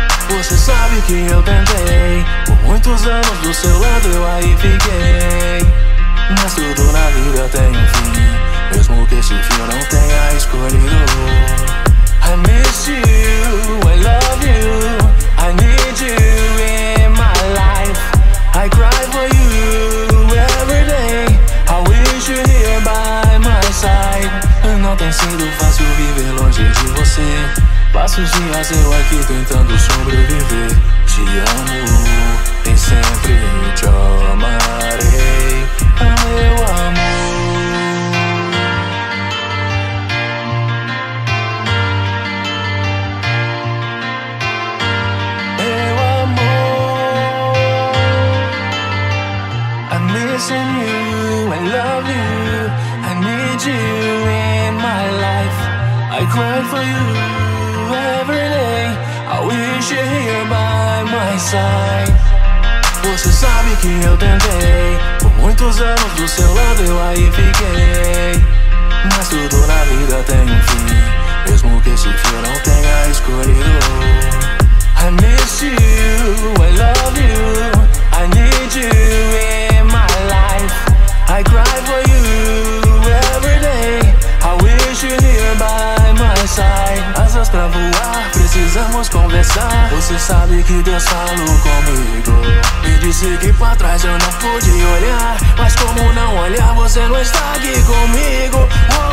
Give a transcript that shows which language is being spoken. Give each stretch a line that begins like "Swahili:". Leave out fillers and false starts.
Portuguese: Você sabe que eu tentei, por muitos anos do seu lado eu aí fiquei. Mas tudo na vida tem um fim, mesmo que esse fim eu não tenha escolhido.
English: I miss you, I love you, I need you in my life. I cry for you every day, I wish you here by my side.
Portuguese: Não tem sido fácil viver longe de você. Passo os dias eu aqui tentando sobreviver. Te amo e sempre te amarei. Meu amor, meu amor,
English: I'm missing you, I love you, I need you in my life. I cry for you every day, I wish you're here by my side.
Portuguese: Você sabe que eu tentei, por muitos anos do seu lado eu aí fiquei. Mas tudo na vida tem um fim, mesmo que esse fim eu não tenha escolhido.
English: I miss you, I love you, I need you in my life. I cry for you every day, I wish you're here by my side.
Portuguese: Asas pra voar, precisamos conversar. Você sabe que Deus falou comigo, me disse que pra trás eu não pude olhar. Mas como não olhar, você não está aqui comigo.